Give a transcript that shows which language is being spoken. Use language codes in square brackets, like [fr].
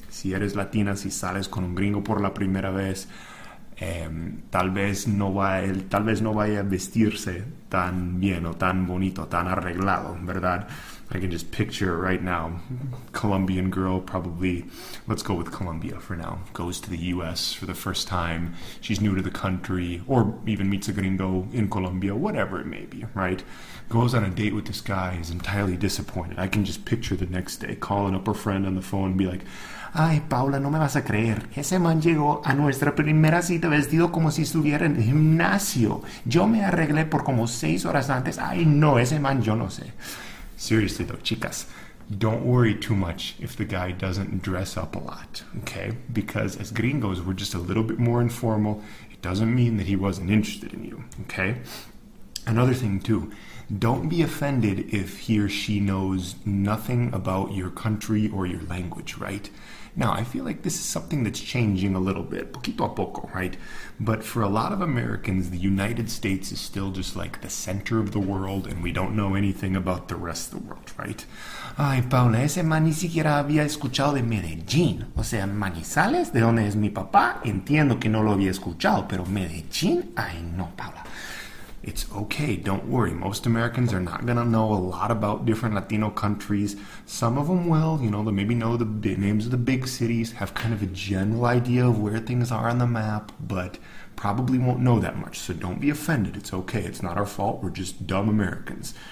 [es] Si eres latina, si sales con un gringo por la primera vez, tal vez no vaya a vestirse tan bien o tan bonito, tan arreglado, ¿verdad? [en] I can just picture it right now. Colombian girl, probably, let's go with Colombia for now, goes to the U.S. for the first time. She's new to the country, or even meets a gringo in Colombia, whatever it may be, right? Goes on a date with this guy, is entirely disappointed. I can just picture the next day calling up her friend on the phone and be like, [es] ay, Paula, no me vas a creer. Ese man llegó a nuestra primera cita vestido como si estuviera en el gimnasio. Yo me arreglé por como 6 horas antes. Ay, no, ese man, yo no sé. [en] Seriously, though, chicas, don't worry too much if the guy doesn't dress up a lot, okay? Because as gringos, we're just a little bit more informal. It doesn't mean that he wasn't interested in you, okay? Another thing, too, don't be offended if he or she knows nothing about your country or your language, right? Now, I feel like this is something that's changing a little bit, [es] poquito a poco, [en] right? But for a lot of Americans, the United States is still just like the center of the world, and we don't know anything about the rest of the world, right? [es] Ay, Paula, ese man ni siquiera había escuchado de Medellín. O sea, Manizales, de donde es mi papá, entiendo que no lo había escuchado, pero Medellín, ay no, Paula. [en] It's okay, don't worry. Most Americans are not gonna know a lot about different Latino countries. Some of them will, you know, they maybe know the names of the big cities, have kind of a general idea of where things are on the map, but probably won't know that much. So don't be offended, it's okay. It's not our fault, we're just dumb Americans.